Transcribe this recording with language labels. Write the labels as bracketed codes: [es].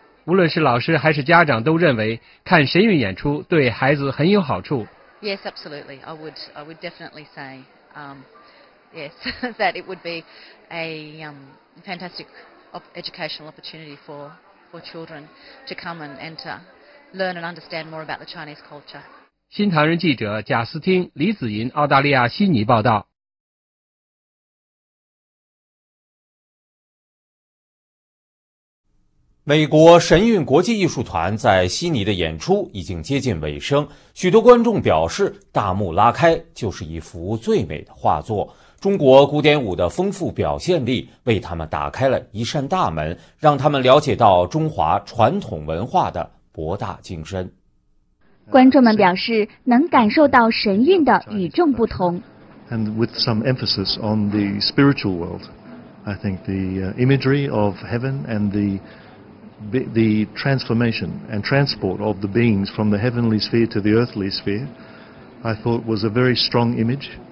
[zh] 无论是老师还是家长都认为看神韵演出对孩子很有好处。 [en] Yes, absolutely. I would definitely say, yes, that it would be a fantastic educational opportunity for children to come and to learn and understand more about the Chinese culture. [zh] 新唐人记者贾斯汀、李子银，澳大利亚悉尼报道。美国神韵国际艺术团在悉尼的演出已经接近尾声，许多观众表示大幕拉开就是一幅最美的画作，中国古典舞的丰富表现力为他们打开了一扇大门，让他们了解到中华传统文化的博大精深。观众们表示能感受到神韵的与众不同。 [en] And with some emphasis on the spiritual world, I think the imagery of heaven and the transformation and transport of the beings from the heavenly sphere to the earthly sphere, I thought was a very strong image.